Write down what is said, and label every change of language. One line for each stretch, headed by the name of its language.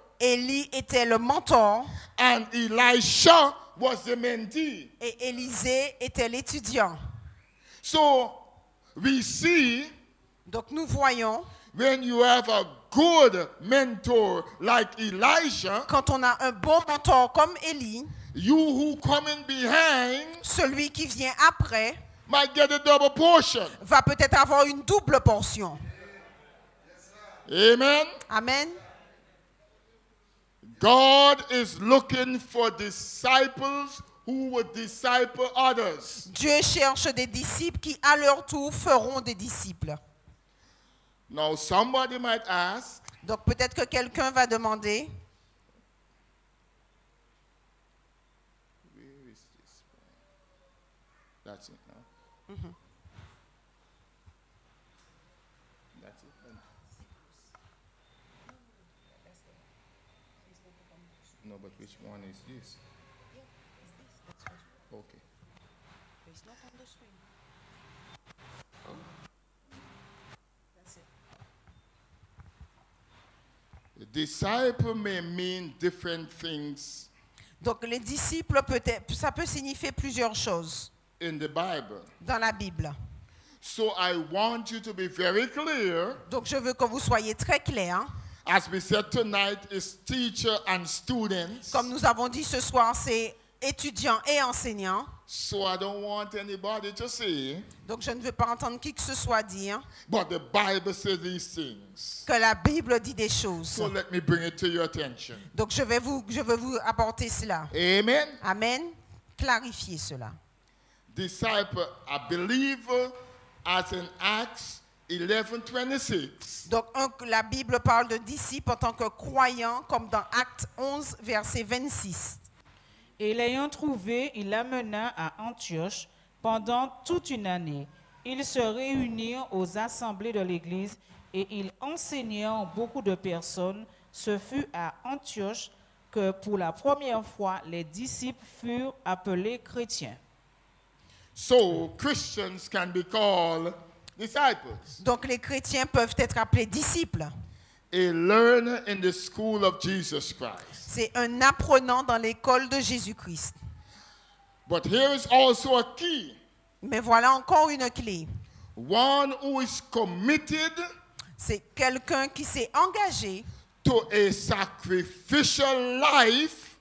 French: Élie était le mentor.
English: And Elisha was the mentee.
French: Et Élisée était l'étudiant.
English: So we see.
French: Donc nous voyons.
English: When you have a good mentor like Elijah,
French: quand on a un bon mentor comme Élie,
English: you who come in behind,
French: celui qui vient après,
English: might get a double portion,
French: va peut-être avoir une double portion.
English: Amen.
French: Amen.
English: God is looking for disciples who will disciple others.
French: Dieu cherche des disciples qui à leur tour feront des disciples.
English: Now somebody might ask.
French: Donc peut-être que quelqu'un va demander.
English: Where is this one? That's it. Huh? That's it. No, but which one is this? Yeah, it's this. That's what you want. Okay. It's not on the screen. Disciple may mean different things.
French: Donc les disciples peut-être ça peut signifier plusieurs choses.
English: In the Bible.
French: Dans la Bible.
English: So I want you to be very clear.
French: Donc je veux que vous soyez très clair.
English: As we said tonight, it's teacher and students.
French: Comme nous avons dit ce soir, c'est étudiants et enseignants.
English: So I don't want anybody to say.
French: Donc je ne veux pas entendre qui que ce soit dire.
English: But the Bible says these things.
French: Que la Bible dit des choses.
English: So let me bring it to your attention.
French: Donc je veux vous apporter cela.
English: Amen.
French: Amen. Clarifier cela.
English: Disciple, a believer, as in Acts 11:26.
French: Donc la Bible parle de disciple en tant que croyant, comme dans Actes 11 verset 26. Et l'ayant trouvé, il l'amena à Antioche pendant toute une année. Ils se réunirent aux assemblées de l'Église et ils enseignèrent beaucoup de personnes. Ce fut à Antioche que pour la première fois, les disciples furent appelés chrétiens.
English: So, Christians can be called disciples.
French: Donc les chrétiens peuvent être appelés disciples.
English: A learner in the school of Jesus Christ.
French: C'est un apprenant dans l'école de Jésus-Christ.
English: But here is also a key.
French: Mais voilà encore une clé.
English: One who is committed.
French: C'est quelqu'un qui s'est engagé.
English: To a sacrificial life.